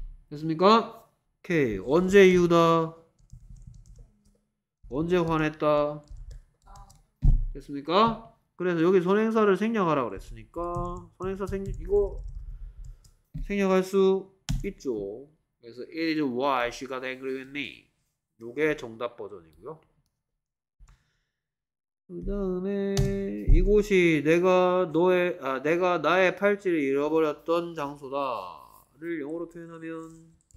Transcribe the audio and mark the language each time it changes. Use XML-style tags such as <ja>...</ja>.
<ko>됐습니까? 오케이. 언제 이유다? 언제 화냈다? 됐습니까? 그래서 여기 선행사를 생략하라 그랬으니까 선행사 이거 생략할 수 있죠. 그래서</ko> <en>it is why she got angry with me.</en> <ko>요게 정답 버전이고요. 그 다음에 이곳이 내가 나의 팔찌를 잃어버렸던 장소다를 영어로 표현하면</ko>